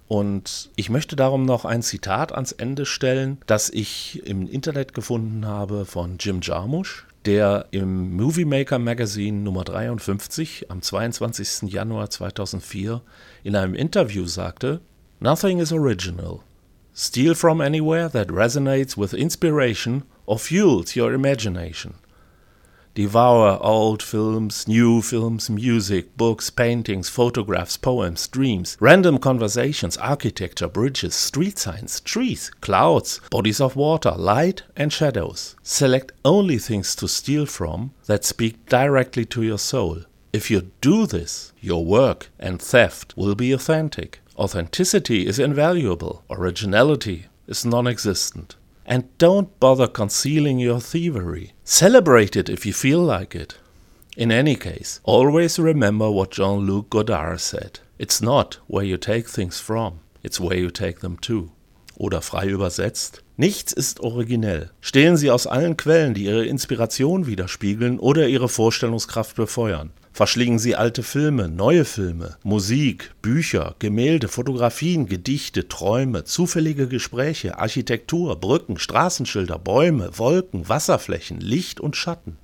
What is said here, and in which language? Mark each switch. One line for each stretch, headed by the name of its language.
German: Und ich möchte darum noch ein Zitat ans Ende stellen, das ich im Internet gefunden habe von Jim Jarmusch, der im Movie Maker Magazine Nummer 53 am 22. Januar 2004 in einem Interview sagte:
English: "Nothing is original. Steal from anywhere that resonates with inspiration or fuels your imagination. Devour old films, new films, music, books, paintings, photographs, poems, dreams, random conversations, architecture, bridges, street signs, trees, clouds, bodies of water, light and shadows. Select only things to steal from that speak directly to your soul. If you do this, your work and theft will be authentic. Authenticity is invaluable. Originality is non-existent. And don't bother concealing your thievery. Celebrate it if you feel like it. In any case, always remember what Jean-Luc Godard said. It's not where you take things from, it's where you take them to."
German: Oder frei übersetzt: "Nichts ist originell. Stehlen Sie aus allen Quellen, die Ihre Inspiration widerspiegeln oder Ihre Vorstellungskraft befeuern. Verschlingen Sie alte Filme, neue Filme, Musik, Bücher, Gemälde, Fotografien, Gedichte, Träume, zufällige Gespräche, Architektur, Brücken, Straßenschilder, Bäume, Wolken, Wasserflächen, Licht und Schatten.